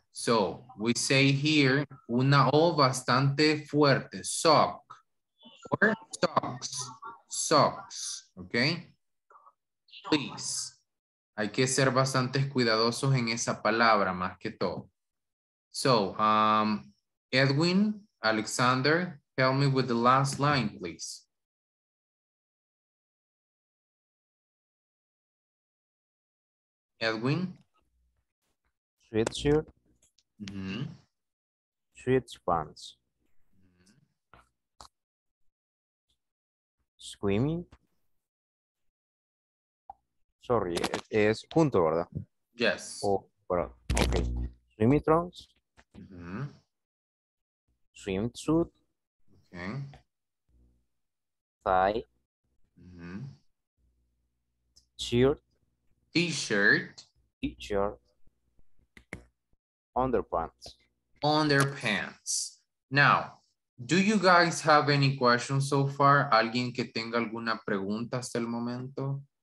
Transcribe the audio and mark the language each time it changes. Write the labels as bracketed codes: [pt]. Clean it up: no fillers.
[en] So, we say here [es] una O bastante fuerte. [en] Sock. Or socks. Socks. ¿Ok? Please. [es] Hay que ser bastante cuidadosos en esa palabra, más que todo. [en] So, Edwin, Alexander, help me with the last line, please. Edwin? Sweatshirt. Mm-hmm. Sweatpants. Mm-hmm. Swimming. [es] Sorry, es junto, ¿verdad? [en] Yes. Oh, bueno, ok. Swimming trunks. Mm-hmm. Swimsuit. Ok. Tie. Mm-hmm. Shirt. T-shirt. T-shirt. Underpants. Underpants. Now, do you guys have any questions so far? [es] ¿Alguien que tenga alguna pregunta hasta el momento?